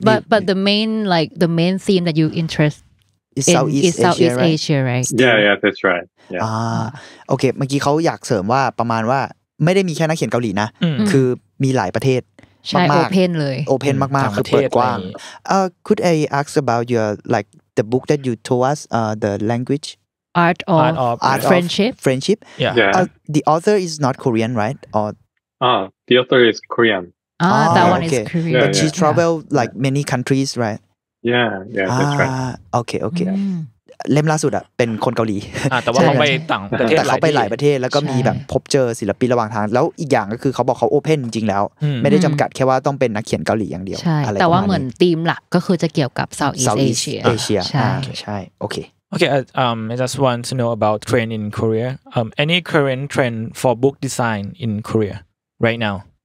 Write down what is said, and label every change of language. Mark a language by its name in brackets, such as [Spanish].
[English] But the main theme that you interest is Southeast Asia, right? Yeah, that's right. Okay. [Thai] เมื่อกี้เขาอยากเสริมว่าประมาณว่าไม่ได้มีแค่นักเขียนเกาหลีนะคือมีหลายประเทศ ช่มากๆโอเพ่นเลย โอเพ่นมากๆคือเปิดกว้าง [English] could I ask about your like the book that you told us the languageArt of Friendship. Yeah. The author is not Korean, right? Or the author is Korean. That one okay. is Korean. Yeah, but she traveled like many countries, right? Yeah, that's right. [Thai] Okay. เล่มล่าสุดอ่ะเป็นคนเกาหลี แต่ว่าเขาไปต่างประเทศ แต่เขาไปหลายประเทศแล้วก็มีแบบพบเจอศิลปินระหว่างทางแล้วอีกอย่างก็คือเขาบอกเขาโอเพ่นจริงแล้วไม่ได้จำกัดแค่ว่าต้องเป็นนักเขียนเกาหลีอย่างเดียว ใช่แต่ว่าเหมือนธีมหลักก็คือจะเกี่ยวกับ Southeast Asia ใช่โอเค [English] I just want to know about trend in Korea. Any current trend for book design in Korea right now?